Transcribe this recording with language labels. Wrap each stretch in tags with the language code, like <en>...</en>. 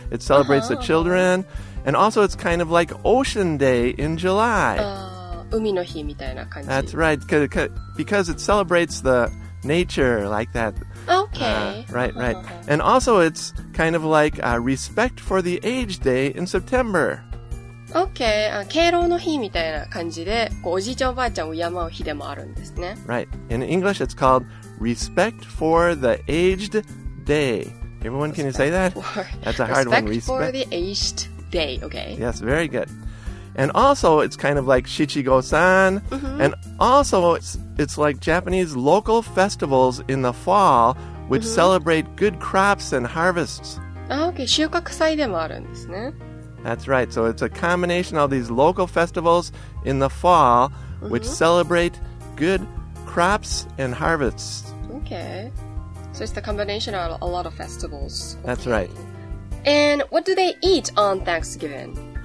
<en>It celebrates the children. And also, it's kind of like Ocean Day in July.</en> <ja>海の日みたいな感じ。</ja> <en>That's right. Because it celebrates the nature like that. Okay. And also it's kind of like a respect for the age day in September. Okay.</en> <ja>敬老の日みたいな感じで、こうおじいちゃんおばあちゃんを敬う日でもあるんですね。</ja> <en>Right. In English, it's called respect for the aged day. Everyone, can you say that? That's a hard respect one. Respect for the aged day. Okay. Yes, very good. And also, it's kind of like Shichigo-san. Mm-hmm. And also, it's like Japanese local festivals in the fall, which celebrate good crops and harvests.</en> <ja>Okay, 収穫祭でもあるんですね。</ja> <en>That's right. So it's a combination of these local festivals in the fall, which celebrate good crops and harvests. Okay. So it's the combination of a lot of festivals. Okay. That's right. And what do they eat on Thanksgiving?</en>